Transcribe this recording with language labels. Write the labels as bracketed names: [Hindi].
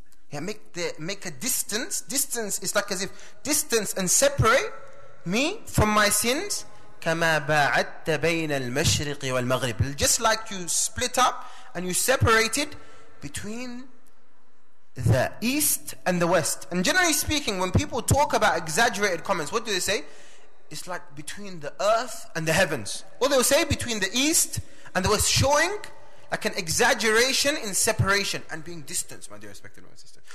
[English] Yeah, make a distance is like as if distance and separate me from my sins. [Arabic] كما باعدت بين المشرق والمغرب. [English] Just like you split up and you separated between the East and the West. And generally speaking, when people talk about exaggerated comments, what do they say? It's like between the earth and the heavens. Or they'll say between the East and the West, showing like an exaggeration in separation and being distanced, my dear respected brothers and sisters.